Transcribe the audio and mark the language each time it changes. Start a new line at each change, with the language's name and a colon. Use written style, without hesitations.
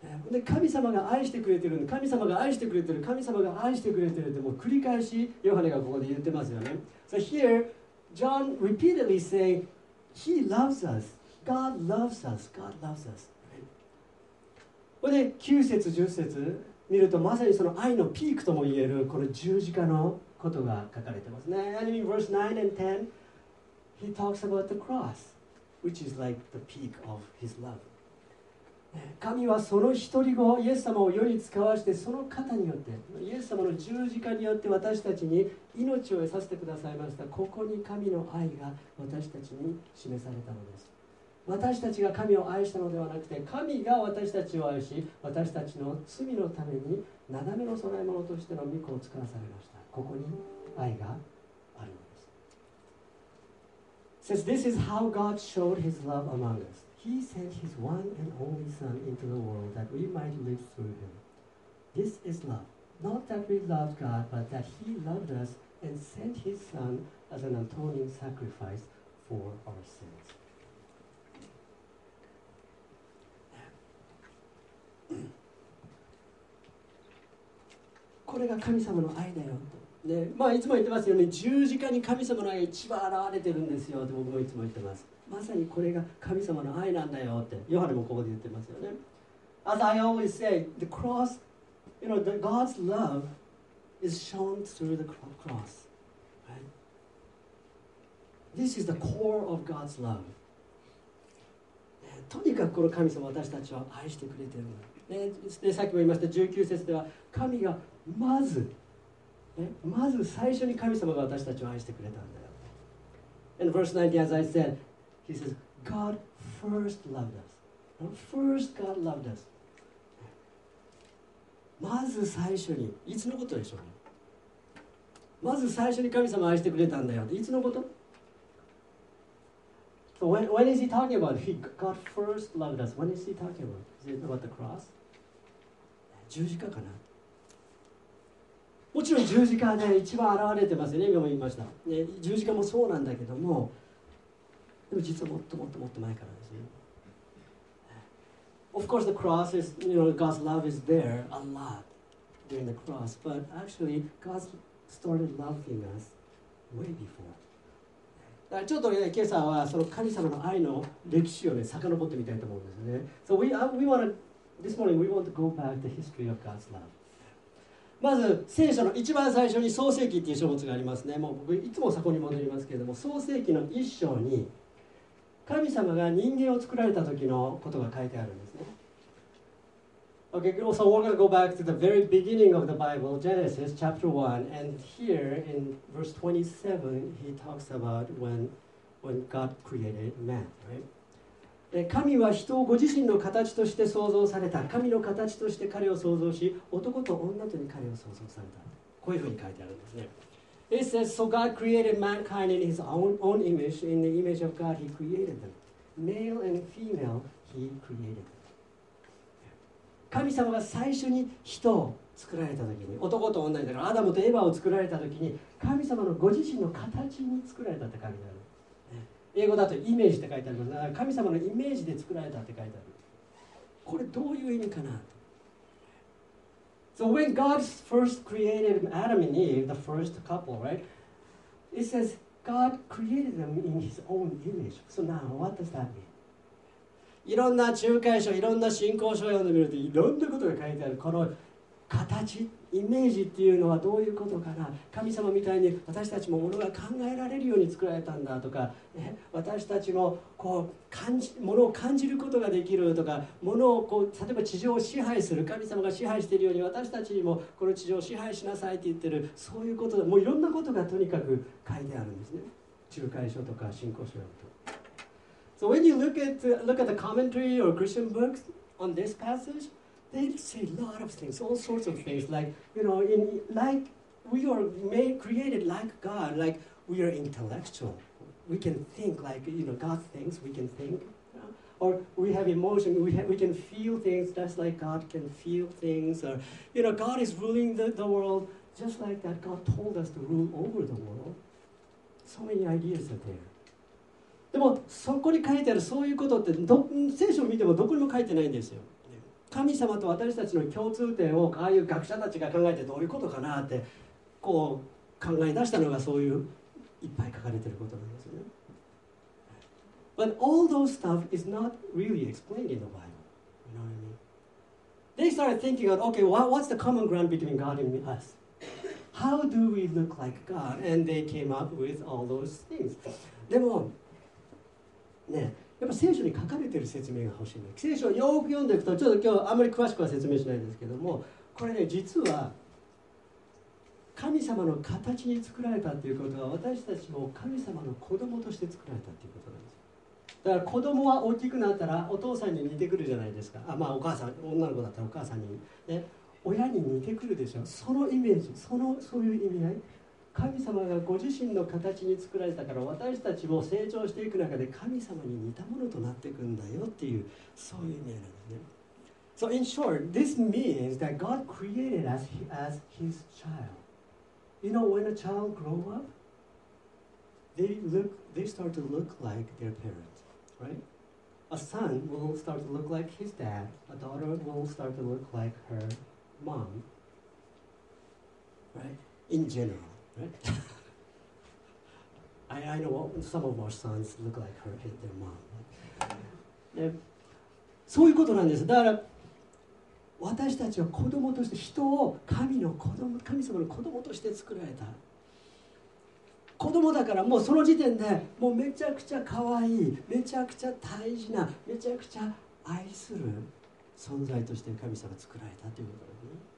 Japanese: で神様が愛してくれてる、神様が愛してくれてる、神様が愛してくれてるって、もう繰り返しヨハネがここで言ってますよね。
English: So here, John repeatedly saying, He loves us. God loves us. God loves us.
Japanese: で9節10節見ると、まさにその愛のピークとも言えるこの十字架のことが書かれてますね。
English: And in verse 9 and 10, he talks about the cross. Which is like the peak of his love.
Japanese: 神はその一人子イエス様を世に遣わして、その方によってイエス様の十字架によって私たちに命を得させてくださいました。ここに神の愛が私たちに示されたのです。私たちが神を愛したのではなくて、神が私たちを愛し、私たちの罪のためになだめの供え物としての御子を遣わされました。ここに愛が。
English: Says this is how God showed His love among us. He sent His one and only Son into the world that we might live through Him. This is love, not that we loved God, but that He loved us and sent His Son as an atoning sacrifice for our sins.
Japanese: これが神様の愛だよと。でまあ、いつも言ってますよね、十字架に神様の愛が一番現れてるんですよって僕もいつも言ってます。まさにこれが神様の愛なんだよってヨハネもここで言ってますよね。
English: As I always say, the cross, you know, the God's love is shown through the cross, right? This is the core of God's love.
Japanese: とにかくこの神様、私たちを愛してくれてる。でさっきも言いました、19節では神がまずまず最初に神様が私たちを愛してくれたんだよ。
English: And verse 90, as I said, he says, God first loved us. First God loved us.
Japanese: まず最初に、いつのことでしょうね。まず最初に神様を愛してくれたんだよ。いつのこと？
English: So when is he talking about? God first loved us. When is he talking about? Is it about the cross?
Japanese: 十字架かな。もちろん十字架はね、一番現れてますよね、今も言いました、ね、十字架もそうなんだけども、でも実はもっともっともっと前からですね。
English: Of course the cross is, you know, God's love is there a lot during the cross, but actually God started loving us way before.
Japanese: だからちょっとね、今朝はその神様の愛の歴史をね、遡ってみたいと思うんですよね。
English: So we want to, this morning we want to go back the history of God's love.
Japanese: まず聖書の一番最初に創世記っていう書物がありますね。もう僕いつもそこに戻りますけれども、創世記の一章に神様が人間を作られた時のことが書いてあるんですね。
English: Okay, so we're going to go back to the very beginning of the Bible, Genesis chapter 1, and here in verse 27 he talks about when God created man, right?
Japanese: 神は人をご自身の形として創造された。神の形として彼を創造し、男と女とに彼を創造された。こういうふうに書いてあるんですね。
English: He says, So God created mankind in his own image. In the image of God, he created them. Male and female, he created them.
Japanese: 神様が最初に人を作られた時に、男と女に、アダムとエヴァを作られた時に、神様のご自身の形に作られたって書いてある。英語だとイメージって書いてあります。だから神様のイメージで作られたって書いてある。これどういう意味かな。
English: So when God first created Adam and Eve, the first couple, right? It says God created them in His own image. So now, what does that mean?
Japanese: いろんな仲介書、いろんな信仰書を読んでみると、いろんなことが書いてある。この形、イメージっていうのはどういうことかな。神様みたいに私たちもものが考えられるように作られたんだとか、ね、私たちもこう感じ、ものを感じることができるとか、ものをこう例えば地上を支配する、神様が支配しているように私たちもこの地上を支配しなさいって言ってる、そういうことだ。もういろんなことがとにかく書いてあるんですね。仲介書とか信仰書と。
English: So when you look at the commentary or Christian books on this passage,They say a lot of things, all sorts of things, like, you know, like we are made, created like God, like we are intellectual. We can think like, you know, God thinks, we can think. You know? Or we have emotion, we can feel things just like God can feel things. Or, you know, God is ruling the world just like that. God told us to rule over the world. So many ideas are there.
Japanese: でもそこに書いてあるそういうことって聖書を見てもどこにも書いてないんですよ。神様と私たちの共通点をああいう学者たちが考えてどういうことかなってこう考え出したのがそういういっぱい書かれてることなんですね。
English: But all those stuff is not really explained in the Bible. You know what I mean? They started thinking about, okay, what's the common ground between God and us? How do we look like God? And they came up with all those things.
Japanese: でもね、やっぱ聖書に書かれている説明が欲しいんです。聖書をよく読んでいくと、ちょっと今日あまり詳しくは説明しないんですけども、これね、実は神様の形に作られたということは、私たちも神様の子供として作られたということなんです。だから子供は大きくなったらお父さんに似てくるじゃないですか。あ、まあお母さん、女の子だったらお母さんに、ね、親に似てくるでしょ。そのイメージ、そういう意味合い、神様がご自身の形に作られたから、私たちも成長していく中で神様に似たものとなっていくんだよっていう、そういう意味なんですね。
English: So in short, this means that God created us as his child. You know, when a child grow up, they start to look like their parents, right? A son will start to look like his dad. A daughter will start to look like her mom, right? In general. Right? I know some of our sons look like her and their mom.
Japanese: そういうことなんです。だから私たちは子供として、人を神の子供、神様の子供として作られた。子供だからもうその時点でもうめちゃくちゃ可愛い、めちゃくちゃ大事な、めちゃくちゃ愛する存在として神様が作られたということですね。